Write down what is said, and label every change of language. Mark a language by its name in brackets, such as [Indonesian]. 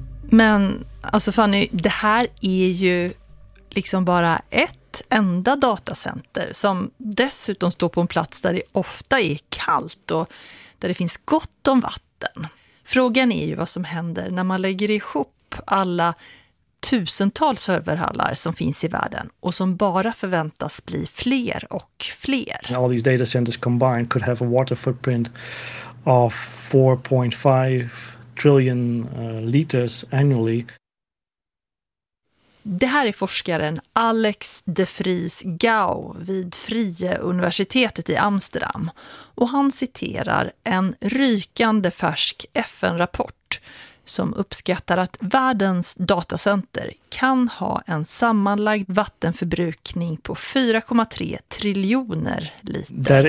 [Swedish] Men alltså Fanny, det här är ju liksom bara ett enda datacenter som dessutom står på en plats där det ofta är kallt och där det finns gott om vatten. Frågan är ju vad som händer när man lägger ihop alla tusentals serverhallar som finns i världen och som bara förväntas bli fler och fler. [English] All these data centers combined could have a water footprint of 4.5 trillion liters annually. [Swedish] Det här är forskaren Alex de Vries Gouw vid Frie universitetet i Amsterdam och han citerar en rykande färsk FN-rapport som uppskattar att världens datacenter kan ha en sammanlagd vattenförbrukning på 4,3 triljoner liter olja.